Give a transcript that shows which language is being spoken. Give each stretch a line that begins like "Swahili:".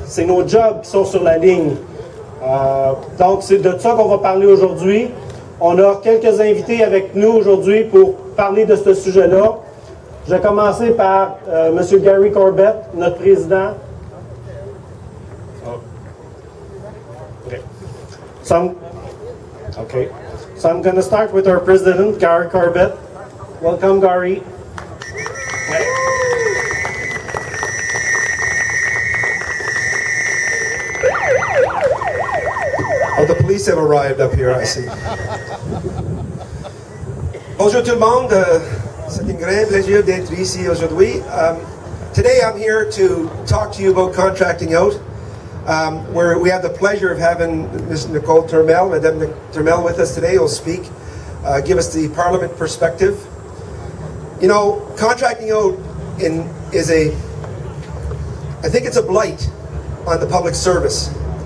French: C'est nos jobs qui sont sur la ligne. Donc, c'est de ça qu'on va parler aujourd'hui. On a quelques invités avec nous aujourd'hui pour parler de ce sujet-là. Je vais commencer par M. Gary Corbett, notre président.
English: So I'm going to start with our president, Gary Corbett. Welcome, Gary. Oh, the police have arrived up here, I see.
French: Bonjour tout le monde. C'est un grand plaisir d'être ici aujourd'hui.
English: Today I'm here to talk to you about contracting out. We have the pleasure of having Ms. Nicole Turmel, Madame Turmel, with us today. Will speak, give us the Parliament perspective. You know, contracting out is a blight on the public service.